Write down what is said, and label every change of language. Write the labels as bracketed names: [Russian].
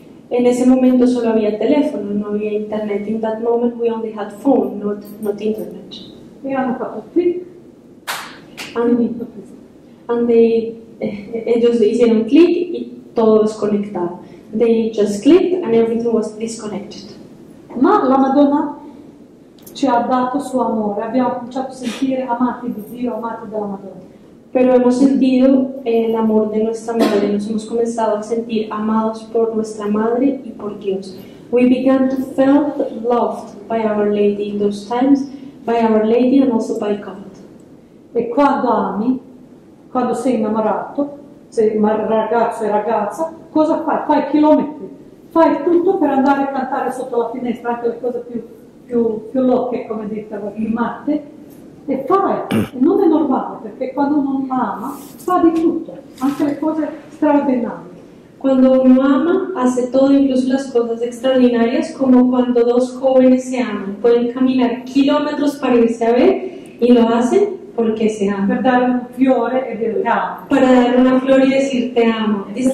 [Spanish] En ese momento solo había teléfono, no había internet. [English] In that moment we only had phone, not internet. [Italian] E hanno fatto click [English] and they [Spanish] ellos hicieron click y todo es conectado. [English] They just clicked and everything was disconnected. [Italian] Ma la Madonna ci ha dato suo amore. Abbiamo cominciato a sentire amati di Dio, amati della Madonna. [Spanish] Pero hemos sentido el amor de nuestra madre. Nos hemos comenzado a sentir amados por nuestra madre y por Dios. [English] We began to felt loved by Our Lady in those times. By Our Lady and also by God. [Italian] E quando ami, quando sei innamorato, sei ragazzo e ragazza, cosa fai? Fai chilometri, fai tutto per andare a cantare sotto la finestra, anche le cose più locche, come dite, più matte, e fai, non è normale, perché quando uno ama, fa di tutto, anche le cose straordinarie. [Spanish] Cuando uno ama, hace todo, incluso las cosas extraordinarias, como cuando dos jóvenes se aman. Pueden caminar kilómetros para irse a ver y lo hacen porque se aman. Para dar un fiore y decir te amo. Para dar una flor y decir te amo.